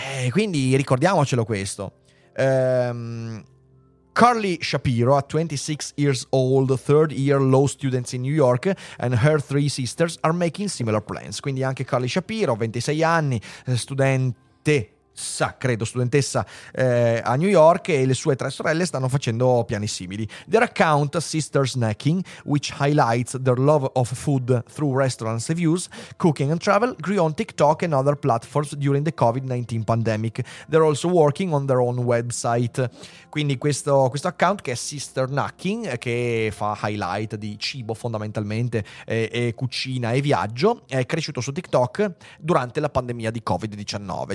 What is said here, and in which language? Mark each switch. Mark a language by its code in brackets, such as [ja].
[it] Quindi ricordiamocelo questo. [en] Carly Shapiro, a 26 years old, third year law student in New York, and her three sisters are making similar plans. [it] Quindi anche Carly Shapiro, 26 anni, studente credo studentessa a New York, e le sue tre sorelle stanno facendo piani simili. [en] Their account, Sister Snacking, which highlights their love of food through restaurants, reviews, cooking and travel, grew on TikTok and other platforms during the COVID-19 pandemic. They're also working on their own website. [it] Quindi questo account, che è Sister Snacking, che fa highlight di cibo fondamentalmente, e cucina e viaggio, è cresciuto su TikTok durante la pandemia di COVID-19.